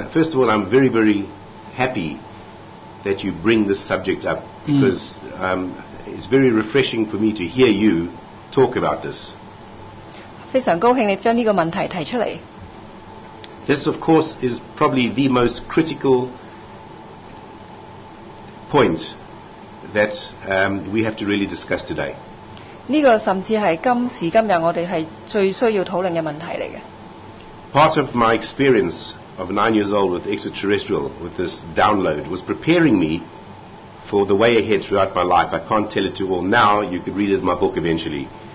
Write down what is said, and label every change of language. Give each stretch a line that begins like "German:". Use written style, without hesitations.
English: First of all, I'm very, very happy that you bring this subject up because it's very refreshing for me to hear you talk about this.
Cantonese: 非常高興你將呢個問題提出嚟。
English: This, of course, is probably the most critical point that we have to really discuss today.
Cantonese: 呢、这個甚至係今時今日我哋係最需要討論嘅問題嚟嘅。
English: Part of my experience of 9 years old with extraterrestrial, with this download, was preparing me for the way ahead throughout my life. I can't tell it to all now. You could read it in my book eventually.